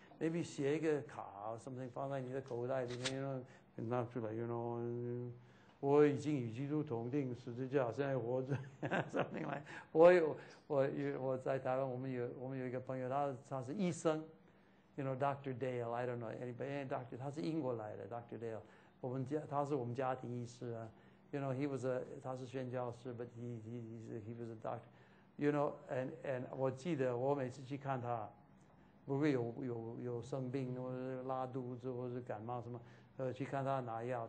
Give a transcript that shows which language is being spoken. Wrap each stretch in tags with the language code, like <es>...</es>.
<en>Maybe</en> <zh>写一个卡 ，</zh> <en>something</en> <zh>放在你的口袋里面 ，</zh> <en>you know，</en> <zh>拿出来 ，you know， 我已经与基督同定十字架，现在活着，</zh> <en>something like，</en> <zh>我在台湾，我们有一个朋友，他是医生 ，you know， Dr.</zh> <en>Dale， I don't know anybody， any doctor，</en> <zh>他是英国来的</zh> <en>，Dr. Dale，</en> <zh>我们家他是我们家庭医师啊</zh> <en>，you know， he was a</en> <zh>他是宣教师</zh> <en>，but he was a doctor， you know， and</en> <zh>我记得我每次去看他。不会有生病或者拉肚子或者感冒什么，去看他拿药。</zh>